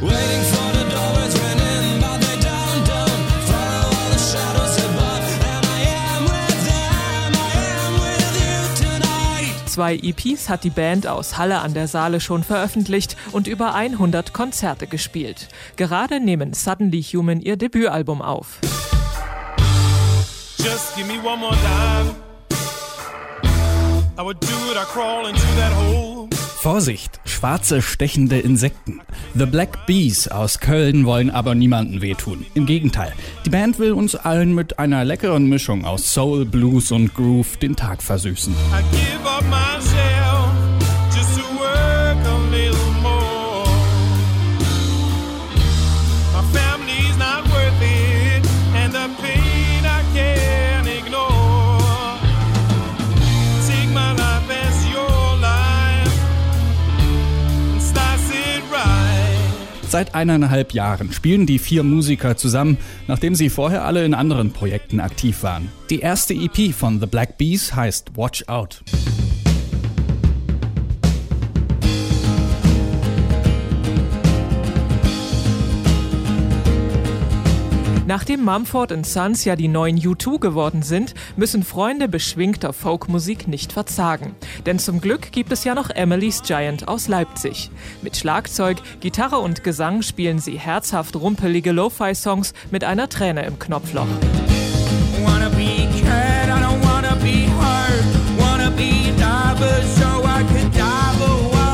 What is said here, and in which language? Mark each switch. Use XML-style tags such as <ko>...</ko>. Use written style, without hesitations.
<de>Zwei EPs hat die Band aus Halle an der Saale schon veröffentlicht und über 100 Konzerte gespielt. Gerade nehmen Suddenly Human ihr Debütalbum auf.</de> <en>Just give me one more dive. I would do it, I crawl into that hole.</en> <de>Vorsicht, schwarze stechende Insekten. The Black Bees aus Köln wollen aber niemanden wehtun. Im Gegenteil, die Band will uns allen mit einer leckeren Mischung aus Soul, Blues und Groove den Tag versüßen.</de> <en>I give up my shell, just to work a little more. My family's not worth it, and the pain I can't ignore. Take my life as your life, and slice it right.</en> <de>Seit 1,5 Jahren spielen die 4 Musiker zusammen, nachdem sie vorher alle in anderen Projekten aktiv waren. Die erste EP von The Black Bees heißt Watch Out. Nachdem Mumford & Sons ja die neuen U2 geworden sind, müssen Freunde beschwingter Folkmusik nicht verzagen. Denn zum Glück gibt es ja noch Emily's Giant aus Leipzig. Mit Schlagzeug, Gitarre und Gesang spielen sie herzhaft rumpelige Lo-Fi-Songs mit einer Träne im Knopfloch.</de> <en>Wanna be cat, I don't wanna be hard. Wanna be diver, so I could dive away.</en>